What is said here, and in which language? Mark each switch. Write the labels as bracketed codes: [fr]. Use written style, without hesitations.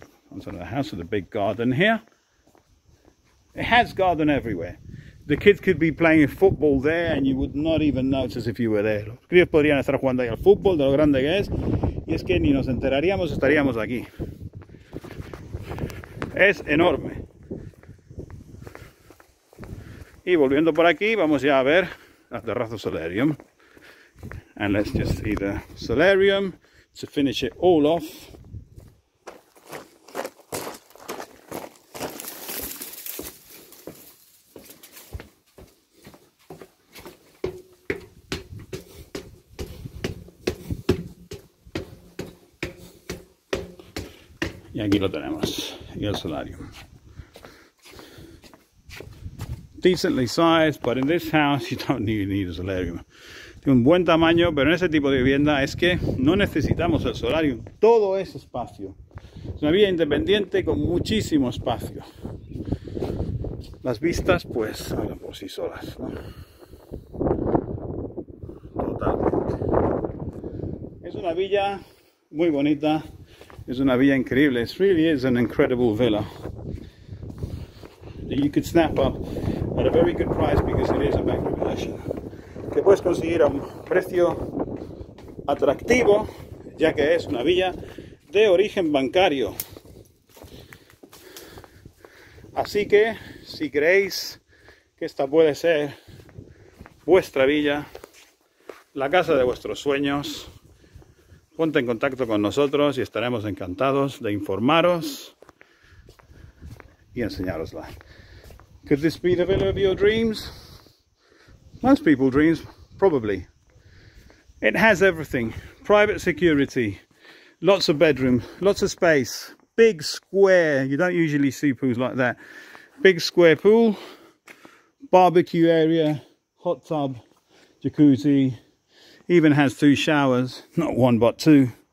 [en] One side of the house with a big garden here. It has garden everywhere. The kids could be playing football there and you would not even notice if you were there. [es] Los críos podrían estar jugando ahí al fútbol, de lo grande que es. Y es que ni nos enteraríamos, estaríamos aquí. Es enorme. Y volviendo por aquí, vamos ya a ver la terraza solarium. [en] And let's just see the solarium to finish it all off. [es] Y aquí lo tenemos, y el solarium. [en] Decently sized, but in this house you don't even need a solarium. [es] Un buen tamaño, pero en ese tipo de vivienda es que no necesitamos el solarium. Todo es espacio. Es una vida independiente con muchísimo espacio. Las vistas, pues, hablan por sí solas, ¿no? Totalmente. Es una villa muy bonita. Es una villa increíble. [en] It really is an incredible villa that you could snap up at a very good price because it is a bank possession. [es] Que puedes conseguir a un precio atractivo, ya que es una villa de origen bancario. Así que, si creéis que esta puede ser vuestra villa, la casa de vuestros sueños, ponte en contacto con nosotros y estaremos encantados de informaros y enseñarosla. [en] Could this be the villa of your dreams? Most people's dreams, probably. It has everything. Private security, lots of bedroom, lots of space, big square. You don't usually see pools like that. Big square pool, barbecue area, hot tub, jacuzzi, even has two showers, not one, but two.